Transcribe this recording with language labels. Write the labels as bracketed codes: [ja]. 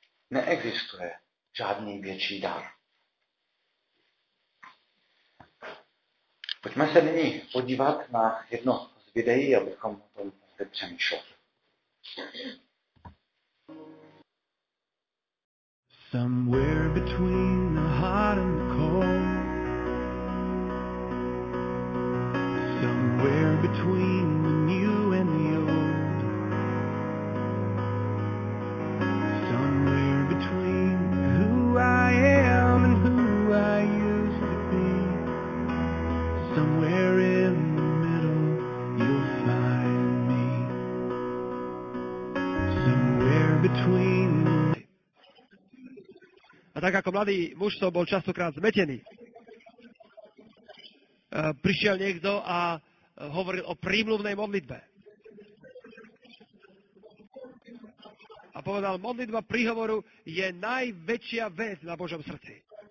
[cs] Neexistuje žádný větší dar. Pojďme se nyní podívat na jedno z videí, abychom o tom teď přemýšleli. [en] Somewhere between the hot and the cold, somewhere between the new and the old, somewhere between who I am and who I used to be, somewhere in the middle you'll find me, somewhere between. [sk] A tak ako mladý muž som bol častokrát zmetený. Prišiel niekto a hovoril o prímluvnej modlitbe. A povedal, modlitba príhovoru je najväčšia vec na Božom srdci.